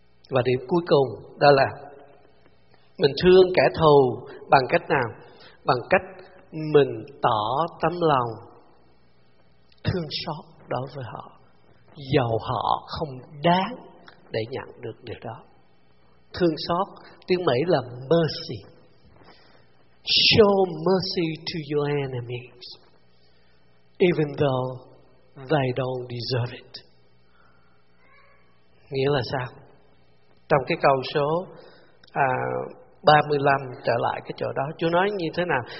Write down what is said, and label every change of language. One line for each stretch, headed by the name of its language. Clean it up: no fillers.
Vietnamese: Và điểm cuối cùng đó là mình thương kẻ thù bằng cách nào? Bằng cách mình tỏ tấm lòng thương xót đối với họ, dầu họ không đáng để nhận được điều đó. Thương xót tiếng Mỹ là mercy.
English: Show mercy to your enemies, even though they don't deserve it.
Vietnamese: Nghĩa là sao? Trong cái câu số 35 trở lại cái chỗ đó, Chúa nói như thế nào?